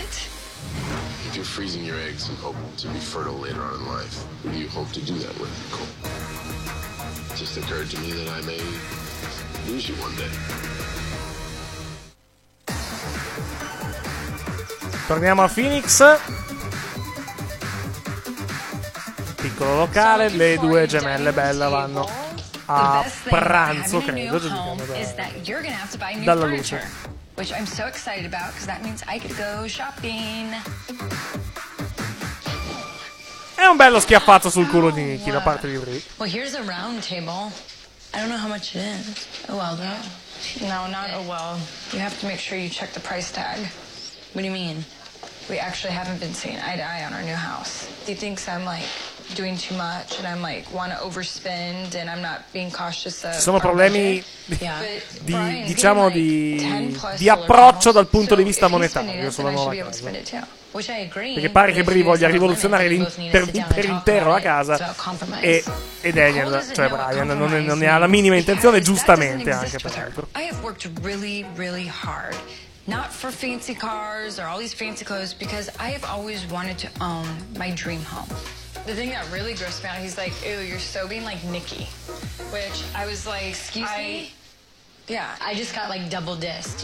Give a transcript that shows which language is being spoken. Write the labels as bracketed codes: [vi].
[en] If you're freezing your eggs and hope to be fertile later on in life, who do you hope to do that with, Cole? It just occurred to me that I may lose you one day. [it] Torniamo a Phoenix. Piccolo locale, le due gemelle belle vanno a pranzo, credo, dalla luce, [en] which I'm so excited about because that means I could go shopping. [it] È un bello schiaffazzo sul culo di Nikki da parte di Bri. [en] Well, here's a round table. I don't know how much it is. Oh well, though. No, not oh well. You have to make sure you check the price tag. What do you mean? We actually haven't been seeing eye to eye on our new house. Do you think I'm like doing too much and I'm like wanna overspend and I'm not being cautious of. [it] Ci sono problemi di diciamo di approccio dal punto di vista monetario sulla nuova casa. Perché pare che Bri voglia rivoluzionare per intero la casa e Daniel, cioè Brian, non ne ha la minima intenzione, giustamente anche peraltro. [en] I have worked really really hard. Not for fancy cars or all these fancy clothes, because I have always wanted to own my dream home. The thing that really grossed me out, he's like, ew, you're so being like Nikki. Which I was like, excuse me? Yeah. I just got like double dissed.